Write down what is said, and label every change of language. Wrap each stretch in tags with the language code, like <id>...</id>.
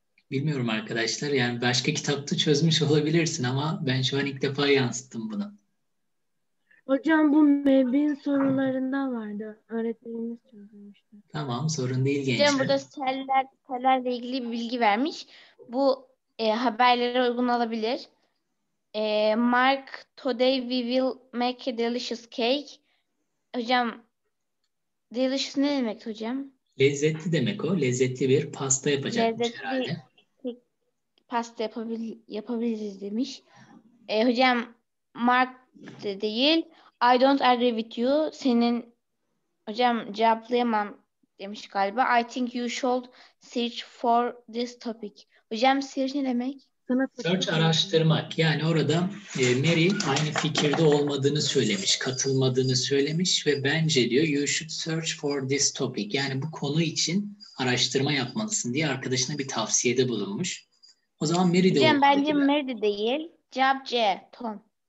<tr>Bilmiyorum arkadaşlar yani başka kitapta çözmüş olabilirsin ama ben şu an ilk defa yansıttım bunu. Hocam bu Mebin sorularında vardı. Öğretmenimiz çözmüştü. Tamam sorun değil gençler. Hocam burada sellerle ilgili bir bilgi vermiş. Bu haberlere uygun olabilir.</tr> <en>Mark, today we will make a delicious cake.</en> <tr>Hocam delicious ne demek hocam? Lezzetli demek o. Lezzetli bir pasta yapacakmış lezzetli herhalde. Lezzetli pasta yapabiliriz demiş. Hocam Mark de değil.</tr> <en>I don't agree with you.</en> <tr>Senin hocam cevaplayamam demiş galiba.</tr> <en>I think you should search for this topic.</en> <tr>Hocam search ne demek? Search araştırmak. Yani orada Mary aynı fikirde olmadığını söylemiş. Katılmadığını söylemiş ve bence diyor</tr> <en>you should search for this topic.</en> <tr>Yani bu konu için araştırma yapmalısın diye arkadaşına bir tavsiyede bulunmuş. O zaman Mary de hocam bence gibi. Mary de değil. Cevap C. Tom.</tr>